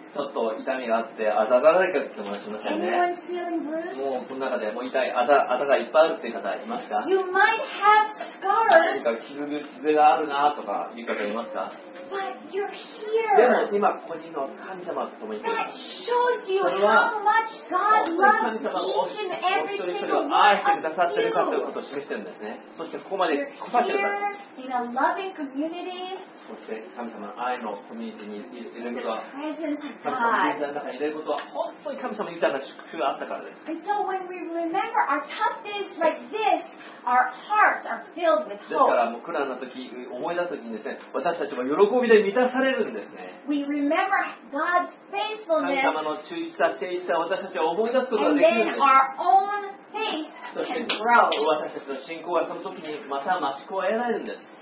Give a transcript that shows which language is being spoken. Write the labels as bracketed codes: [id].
[ja] ちょっと痛みがあってあざがないかって言ってもらいましたね。もうこの中でもう痛いあざがいっぱいあるっていう方いますか？ [en] You might have scars. [ja] 何か傷があるなとかいう方いますか？ [en] But you're here. [ja] でも今ここにいるのは神様と共にいる。 [en] That shows you how much God loves each and every single one of you. [ja] 一人一人を愛してくださってるかということを示してるんですね。そしてここまで来させてください。 [en] You're here in a loving community. [ja] そして神様の愛のコミュニティにいることは、神様の臨在の中にいることは、本当に神様の豊かな祝福があったからです。 [en] And so when we remember our tough days like this, our hearts are filled with hope. [ja] ですから、もう苦難な時、思い出す時にですね、私たちは喜びで満たされるんですね。 [en] We remember God's faithfulness. [ja] 神様の忠実さ、誠実さを私たちは思い出すことができるんです。 [en] And then our own faith can grow. [ja] そして私たちの信仰はその時にまた増し加えられるんです。